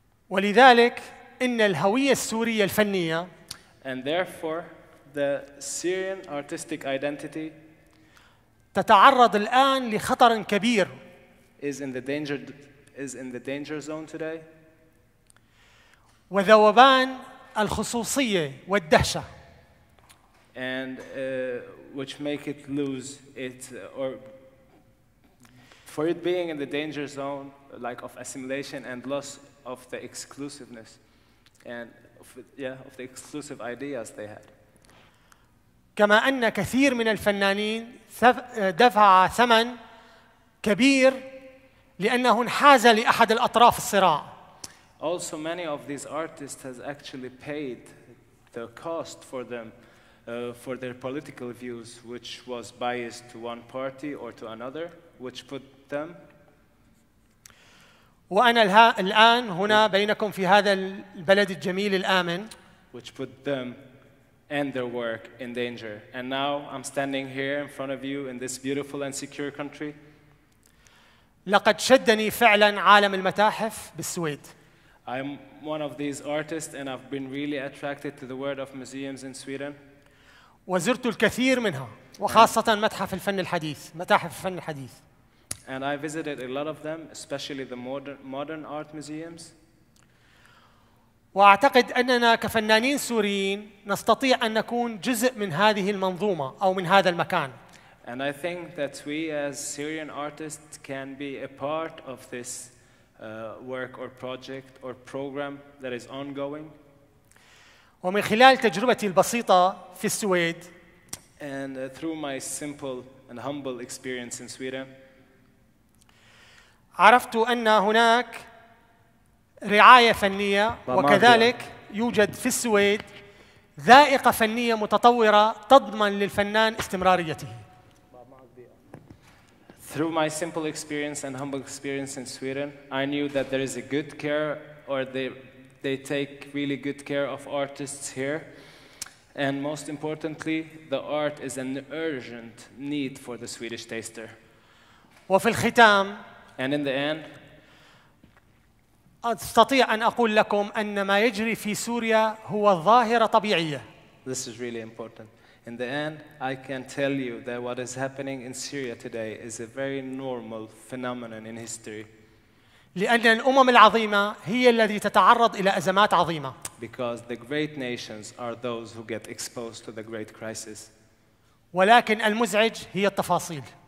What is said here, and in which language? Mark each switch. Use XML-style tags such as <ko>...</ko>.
<ar>ولذلك إن الهوية السورية الفنية.</ar> <en>And therefore, the Syrian artistic identity.</en> <ar>تتعرض الآن لخطر كبير.</ar> <en>Is in the danger zone today.</en> <ar>وذوبان الخصوصية والدهشة.</ar> <en>And which make it lose it or for it being in the danger zone, like of assimilation and loss of the exclusiveness and of the exclusive ideas they had.</en> <ar>كما أن كثير من الفنانين دفع ثمن كبير لأنه انحاز لأحد الأطراف الصراع.</ar> <en>Also, many of these artists has actually paid the cost for them for their political views, which was biased to one party or to another, which put them.</en> <ar>وأنا الآن هنا بينكم في هذا البلد الجميل الآمن.</ar> <en>Which put them and their work in danger. And now I'm standing here in front of you in this beautiful and secure country.</en> <ar>لقد شدني فعلا عالم المتاحف بالسويد.</ar> <en>I'm one of these artists and I've been really attracted to the world of museums in Sweden.</en> <ar>وزرت الكثير منها وخاصة متحف الفن الحديث، متاحف الفن الحديث.</ar> <en>And I visited a lot of them, especially the modern art museums.</en> <ar>وأعتقد أننا كفنانين سوريين نستطيع أن نكون جزء من هذه المنظومة أو من هذا المكان.</ar> <en>And I think that we as Syrian artists can be a part of this work or project or program that is ongoing.</en> <ar>ومن خلال تجربتي البسيطة في السويد.</ar> <en>And through my simple and humble experience in Sweden.</en> <ar>عرفت أن هناك رعاية فنية وكذلك يوجد في السويد ذائقة فنية متطورة تضمن للفنان استمراريته.</ar> <en>Through my simple experience and humble experience in Sweden, I knew that there is a good care, or they take really good care of artists here. And most importantly, the art is an urgent need for the Swedish taster.</en> <ar>وفي الختام,</ar> <en>and in the end,</en> <ar>أستطيع أن أقول لكم أن ما يجري في سوريا هو ظاهرة طبيعية.</ar> <en>This is really important. In the end, I can tell you that what is happening in Syria today is a very normal phenomenon in history.</en> <ar>لأن الأمم العظيمة هي التي تتعرض إلى أزمات عظيمة.</ar> <en>Because the great nations are those who get exposed to the great crisis.</en> <ar>ولكن المزعج هي التفاصيل.</ar>